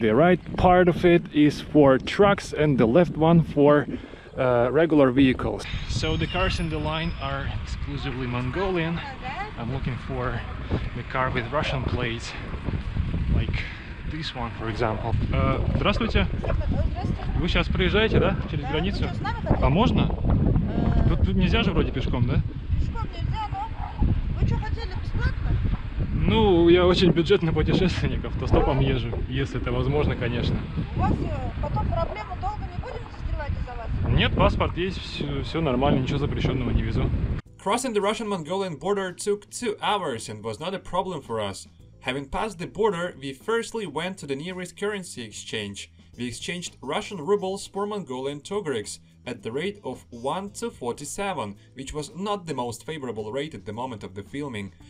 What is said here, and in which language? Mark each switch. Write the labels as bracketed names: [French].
[English] The right part of it is for trucks and the left one for regular vehicles. So the cars in the line are exclusively Mongolian. I'm looking for the car with Russian plates, like this one, for example. [Russian] Здравствуйте. Вы сейчас проезжаете, да, через границу? А можно? Тут нельзя же вроде пешком, да? Пешком нельзя, но вы что хотели бесплатно? Ну, я очень бюджетный путешественник, автостопом езжу, если это возможно, конечно. У вас потом проблемы долго не будем застревать из-за вас? Нет, паспорт есть, все нормально, ничего запрещенного не везу. [English] Crossing the Russian-Mongolian border took 2 hours and was not a problem for us. Having passed the border, we firstly went to the nearest currency exchange. We exchanged Russian rubles for Mongolian togriks at the rate of 1 to 47, which was not the most favorable rate at the moment of the filming.